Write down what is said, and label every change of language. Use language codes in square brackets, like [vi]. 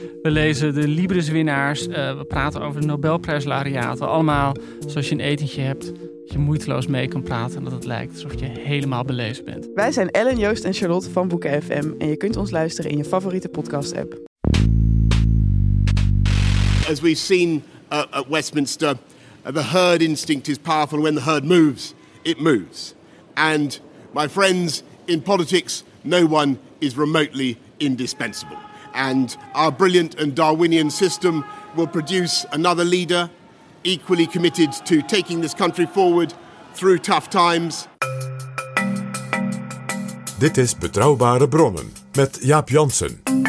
[nl] We lezen de Libris-winnaars. We praten over de Nobelprijslaureaten. Allemaal zoals je een etentje hebt, dat je moeiteloos mee kan praten en dat het lijkt alsof je helemaal belezen bent. Wij zijn Ellen, Joost en Charlotte van Boeken FM en je kunt ons luisteren in je favoriete podcast-app. [en] As we've seen at Westminster, the herd instinct is powerful. When the herd moves, it moves. And my friends, in politics, no one is remotely indispensable. And our brilliant and Darwinian system will produce another leader equally committed to taking this country forward through tough times. [nl] Dit is Betrouwbare Bronnen met Jaap Janssen.